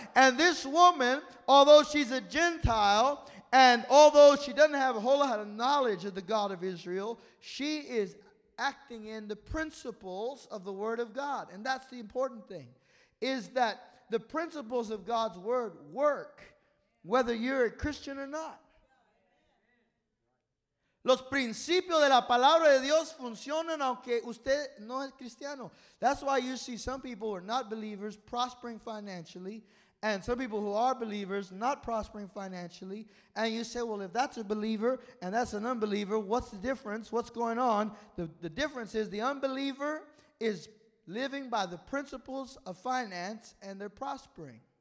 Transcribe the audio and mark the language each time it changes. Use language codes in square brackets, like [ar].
[en] And this woman, although she's a Gentile, and although she doesn't have a whole lot of knowledge of the God of Israel, she is acting in the principles of the Word of God. And that's the important thing, is that the principles of God's Word work whether you're a Christian or not. [es] Los principios de la palabra de Dios funcionan aunque usted no es cristiano. [en] That's why you see some people who are not believers prospering financially, and some people who are believers not prospering financially. And you say, well, if that's a believer and that's an unbeliever, what's the difference? What's going on? The difference is the unbeliever is living by the principles of finance and they're prospering.